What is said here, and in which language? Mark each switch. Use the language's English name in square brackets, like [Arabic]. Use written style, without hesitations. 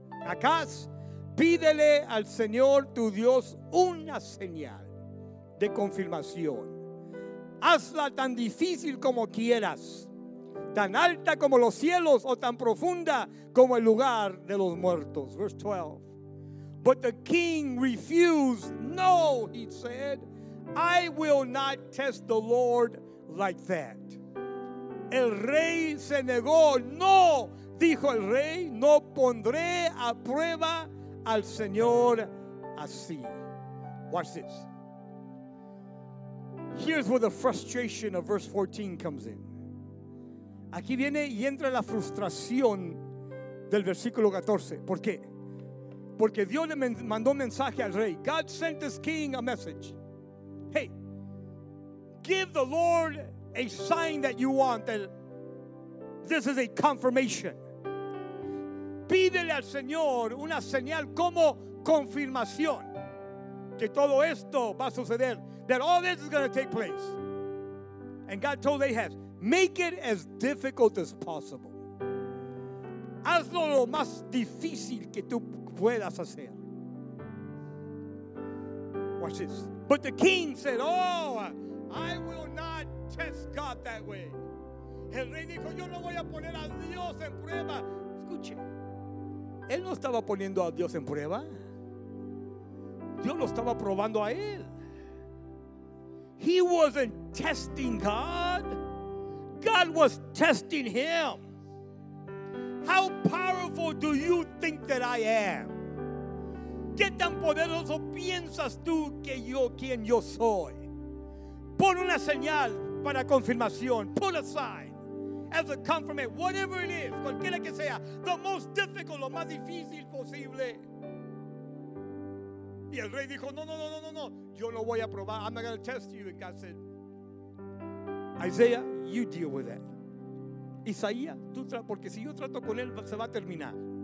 [Spanish] Acaz, pídele al Señor tu Dios una señal de confirmación. Hazla tan difícil como quieras, tan alta como los cielos o tan profunda como el lugar de los muertos. [English] Verse 12. But the king refused. No, he said, I will not test the Lord like that. [Spanish] El rey se negó. No, dijo el rey, no pondré a prueba al Señor así. [English] Watch this. Here's where the frustration of verse 14 comes in. [Spanish] Aquí viene y entra la frustración del versículo 14. ¿Por qué? Porque Dios le mandó un mensaje al rey. [English] God sent this king a message. [Spanish] Hey, [English] give the Lord a sign that you want, that this is a confirmation. [Spanish] Pídele al Señor una señal como confirmación que todo esto va a suceder, [English] that all this is going to take place. And God told Ahaz, make it as difficult as possible. [Spanish] Hazlo lo más difícil que tú puedas hacer. [English] Watch this. But the king said, oh, I will not test God that way. [Spanish] El rey dijo, yo no voy a poner a Dios en prueba. Escuche, él no estaba poniendo a Dios en prueba. Dios lo estaba probando a él. [English] He wasn't testing God. God was testing him. How powerful do you think that I am? [Spanish] ¿Qué tan poderoso piensas tú que yo, quien yo soy? Pon una señal para confirmación. [English] Pull a sign as a confirmation. Whatever it is, [Spanish] cualquiera que sea, [English] the most difficult, [Spanish] lo más difícil posible. Y el rey dijo, no, yo no voy a probar. [English] I'm not going to test you. And God said, Isaiah, you deal with that. [Spanish] Isaías, tú porque si yo trato con él, se va a terminar.